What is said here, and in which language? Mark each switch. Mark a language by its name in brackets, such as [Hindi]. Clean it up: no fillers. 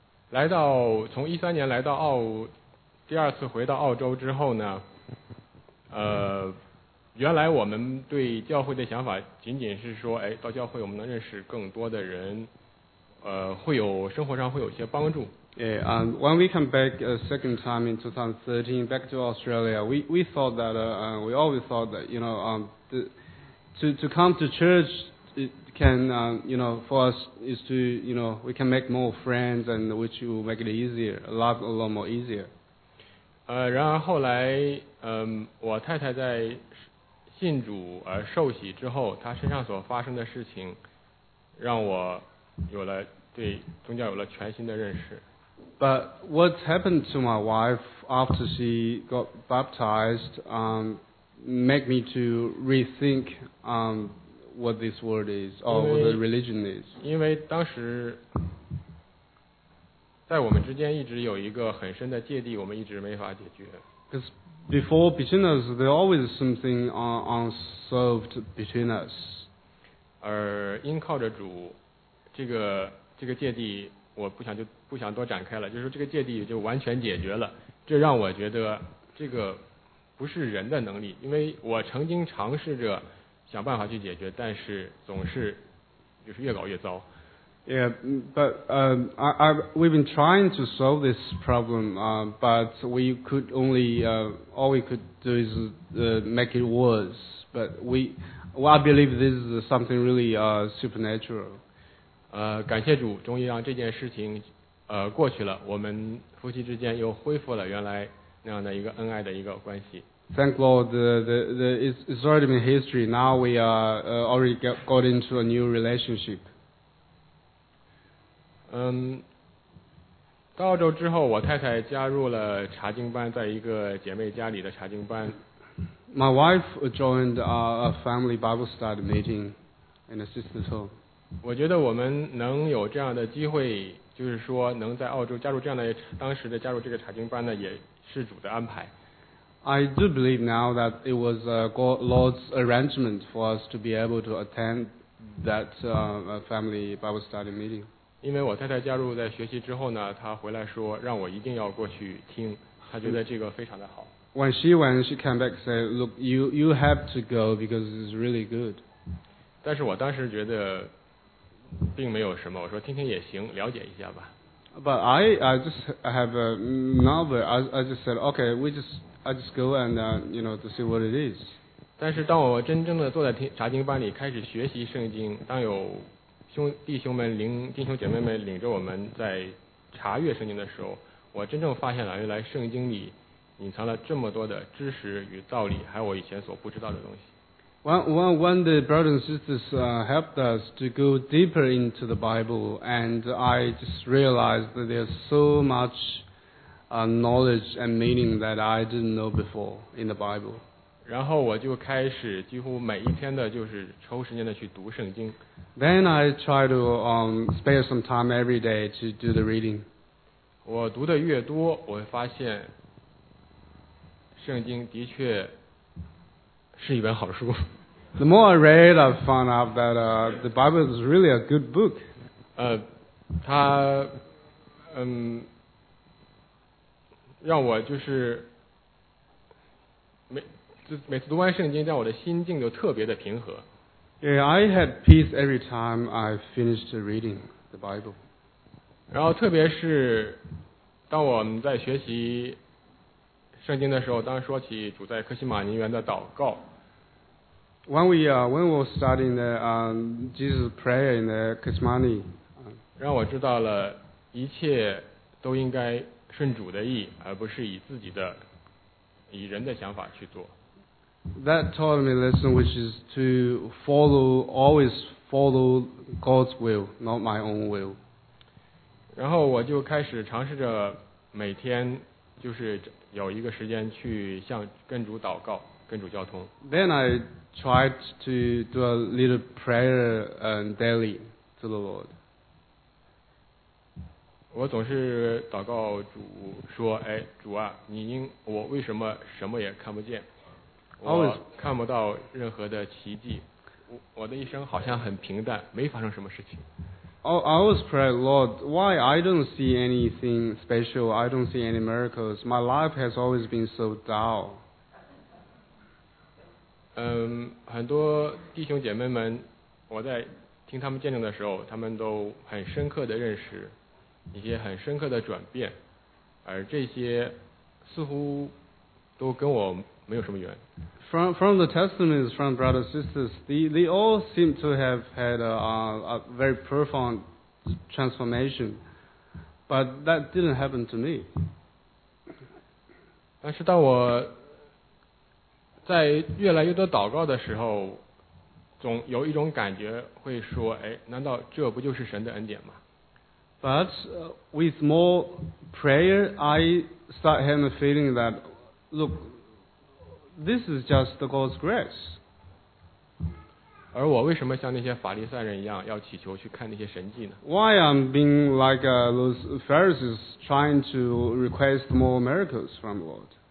[Chinese] 来到从一三年来到澳，第二次回到澳洲之后呢，原来我们对教会的想法仅仅是说，哎，到教会我们能认识更多的人，会有生活上会有一些帮助。 [English] Yeah, when we come back a second time in 2013 back to Australia, we thought that we always thought that you know to come to church. It can, you know, for us is to, you know, we can make more friends and which will make it easier, a lot more easier. [Chinese] 然而后来，我太太在信主而受洗之后，她身上所发生的事情，让我有了对宗教有了全新的认识。 [English] But what happened to my wife after she got baptized, make me to rethink, what this word is or what the religion is. [Chinese] 因为当时在我们之间一直有一个很深的芥蒂，我们一直没法解决。 [English] Because before beginners, there always something unsolved between us. [Chinese] 而因靠着主，这个芥蒂，我不想多展开了。就是这个芥蒂就完全解决了，这让我觉得这个不是人的能力，因为我曾经尝试着想办法去解决，但是总是就是越搞越糟。 [English] Yeah, but we've been trying to solve this problem, but we could only, all we could do is make it worse. But I believe this is something really supernatural. [Chinese] 感谢主，终于让这件事情过去了，我们夫妻之间又恢复了原来那样的一个恩爱的一个关系。 [English] Thank Lord, it's already been history. Now we are already got into a new relationship. [Chinese] 到澳洲之后，我太太加入了查经班，在一个姐妹家里的查经班。 [English] My wife joined a family Bible study meeting in a sister's home. [Chinese] 我觉得我们能有这样的机会，就是说能在澳洲加入这样的，当时的加入这个查经班呢，也是主的安排。 [English] I do believe now that it was Lord's arrangement for us to be able to attend that family Bible study meeting. [Chinese] 因为我太太加入在学习之后呢，她回来说让我一定要过去听，她觉得这个非常的好。 [English] When she came back, said, "Look, you have to go because it's really good." [Chinese] 但是我当时觉得并没有什么，我说听听也行，了解一下吧。 [English] But I just have a novel. I just said, "Okay, I just go and you know to see what it is." [Chinese] 但是当我真正的坐在查经班里开始学习圣经，当有弟兄姐妹们领着我们在查阅圣经的时候，我真正发现了原来圣经里隐藏了这么多的知识与道理，还有我以前所不知道的东西。 [English] When the brothers and sisters helped us to go deeper into the Bible, and I just realized that there's so much knowledge and meaning that I didn't know before in the Bible. [Chinese] 然后我就开始几乎每一天的就是抽时间的去读圣经。 [English] Then I try to spend some time every day to do the reading. [Chinese] 我读的越多，我会发现圣经的确是一本好书。 [English] The more I read, I found out that the Bible is really a good book. [Chinese] 它让我就是每次读完圣经，让我的心境就特别的平和。 [English] Yeah, I had peace every time I finished reading the Bible. [Chinese] 然后特别是当我们在学习圣经的时候，当说起主在克西马尼园的祷告。 [English] When we were studying the Jesus prayer in the Gethsemane, [Chinese] 让我知道了一切都应该顺主的意，而不是以自己的、以人的想法去做。 [English] That taught me a lesson, which is to always follow God's will, not my own will. [Chinese] 然后我就开始尝试着每天就是有一个时间去向跟主祷告、跟主交通。 [English] Then I tried to do a little prayer daily to the Lord. [Chinese] 我总是祷告主说，哎，主啊，我为什么什么也看不见，我看不到任何的奇迹，我的一生好像很平淡，没发生什么事情。 [English] I always pray, Lord, why I don't see anything special, I don't see any miracles, my life has always been so dull. [Chinese] 很多弟兄姐妹们，我在听他们见证的时候，他们都很深刻的认识一些很深刻的转变，而这些似乎都跟我没有什么缘。 [English] From the testimonies from brothers and sisters, they all seem to have had a very profound transformation, but that didn't happen to me. [Chinese] 但是当我在越来越多祷告的时候，总有一种感觉会说，哎，难道这不就是神的恩典吗？ [English] But with more prayer, I start having a feeling that, look, this is just God's grace. [Chinese] 而我为什么像那些法利赛人一样要祈求去看那些神迹呢？ [English] Why I'm being like those Pharisees trying to request more miracles from the Lord?